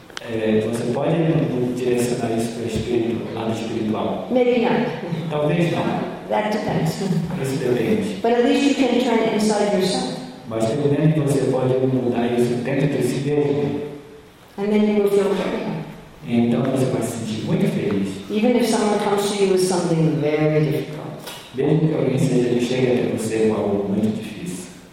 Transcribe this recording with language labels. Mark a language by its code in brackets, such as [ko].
[pt] Você pode direcionar isso para o espírito, lado espiritual? [en] Maybe not. [pt] Talvez não. [en] That depends. [pt] Isso depende. [en] But at least you can turn it inside yourself. [pt] Mas pelo menos você pode mudar isso dentro de si mesmo. [en] And then you will feel happy. [pt] Então você vai se sentir muito feliz. [en] Even if someone comes to you with something very difficult. [pt] Mesmo que alguém seja que chegue até você com algo muito difícil.